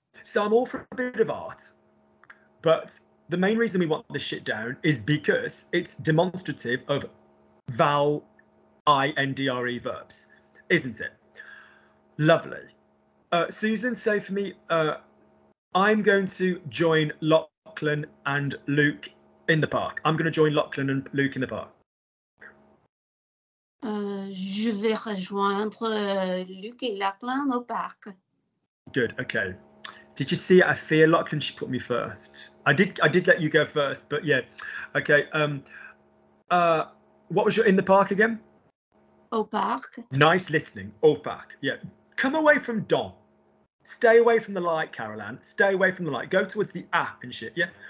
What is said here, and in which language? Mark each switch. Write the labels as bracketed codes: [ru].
[en] So I'm all for a bit of art, but the main reason we want this shit down is because it's demonstrative of vowel I-N-D-R-E verbs, isn't it? Lovely. Susan, say for me, I'm going to join Lachlan and Luke in the park. I'm going to join Lachlan and Luke in the park. [fr] Je vais rejoindre Luc et Lachlan au parc. [en] Good, okay. Did you see, I fear Lachlan, she put me first. I did let you go first, but yeah. Okay, what was your in the park again? [fr] Au parc. [en] Nice listening, [fr] au parc, [en] yeah. Come away from Don. Stay away from the light, Carolan. Stay away from the light. Go towards the and shit, yeah.